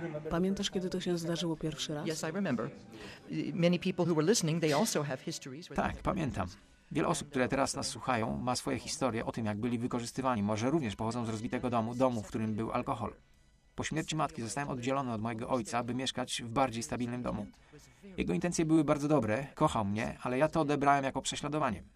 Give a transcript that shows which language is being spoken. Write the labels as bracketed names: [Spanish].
[Polish] Pamiętasz, kiedy to się zdarzyło pierwszy raz? [English] Yes, I remember. Many people who were listening, they also have histories. [Polish] Tak, pamiętam. Wiele osób, które teraz nas słuchają, ma swoje historie o tym, jak byli wykorzystywani. Może również pochodzą z rozbitego domu, domu, w którym był alkohol. Po śmierci matki zostałem oddzielony od mojego ojca, by mieszkać w bardziej stabilnym domu. Jego intencje były bardzo dobre, kochał mnie, ale ja to odebrałem jako prześladowanie.